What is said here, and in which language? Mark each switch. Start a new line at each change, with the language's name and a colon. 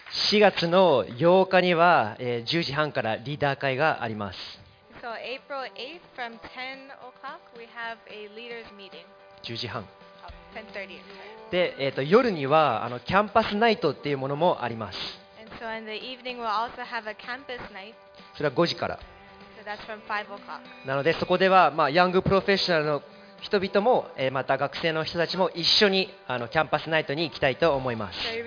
Japanese: 4月の8日には、10時半からリーダー会があります。
English: So, April 8th, from 10 o'clock, we have a leaders meeting.
Japanese: 10時半。
English: 10:30.
Japanese: で、夜にはキャンパスナイトっていうものもあります。
English: And so, in the evening, we'll also have a campus night.
Japanese: それは5時から。
English: So, that's from 5 o'clock.
Japanese: なので、そこでは、ヤングプロフェッショナルの人々も、また学生の人たちも一緒にキャンパスナイトに行きたいと思います。